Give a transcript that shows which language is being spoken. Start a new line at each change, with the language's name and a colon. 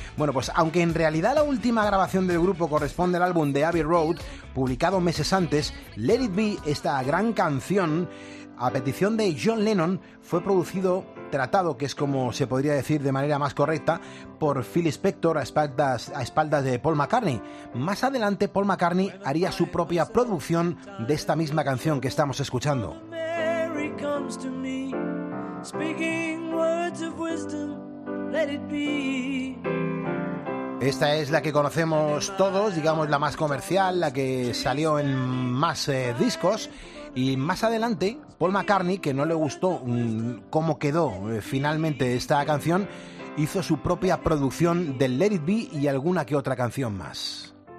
Spanish: Bueno, pues aunque en realidad la última grabación del grupo corresponde al álbum de Abbey Road, publicado meses antes, Let It Be, esta gran canción, a petición de John Lennon, fue producido, tratado, que es como se podría decir de manera más correcta, por Phil Spector a espaldas de Paul McCartney. Más adelante, Paul McCartney haría su propia producción de esta misma canción que estamos escuchando.
English: Mary comes to me, speaking words of wisdom, let it be.
Spanish: Esta es la que conocemos todos, digamos la más comercial, la que salió en más discos. Y más adelante, Paul McCartney, que no le gustó cómo quedó finalmente esta canción, hizo su propia producción del Let It Be y alguna que otra canción más.